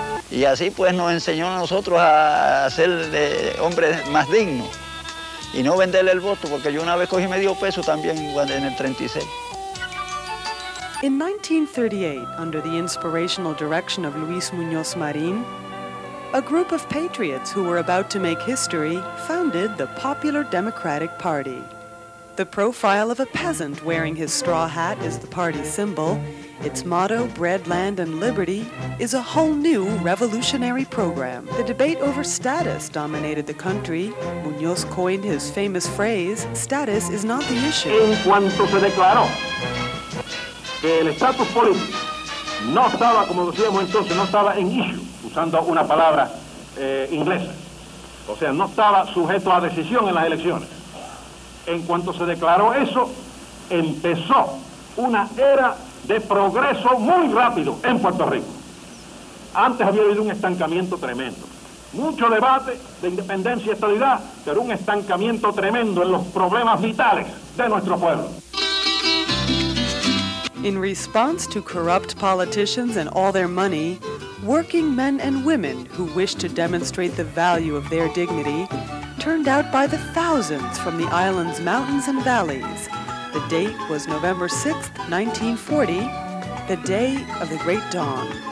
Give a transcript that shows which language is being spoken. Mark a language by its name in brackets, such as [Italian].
[Spanish] Y así pues nos enseñó a nosotros a ser hombres más dignos y no venderle el voto, porque yo una vez cogí medio peso también en el 36. [English] In 1938, under the inspirational direction of Luis Muñoz Marín, a group of patriots who were about to make history founded the Popular Democratic Party. The profile of a peasant wearing his straw hat is the party symbol. Its motto, Bread, Land, and Liberty, is a whole new revolutionary program. The debate over status dominated the country. Muñoz coined his famous phrase, status is not the issue. [Spanish] En cuanto se declaró que el estatus político no estaba, como decíamos entonces, no estaba en issue, usando una palabra inglesa. O sea, no estaba sujeto a decisión en las elecciones. En cuanto se declaró eso, empezó una era de progreso muy rápido en Puerto Rico. Antes había habido un estancamiento tremendo. Mucho debate de independencia y estadidad, pero un estancamiento tremendo en los problemas vitales de nuestro pueblo. [English] In response to corrupt politicians and all their money, working men and women who wished to demonstrate the value of their dignity turned out by the thousands from the island's mountains and valleys. The date was November 6, 1940, the day of the great dawn.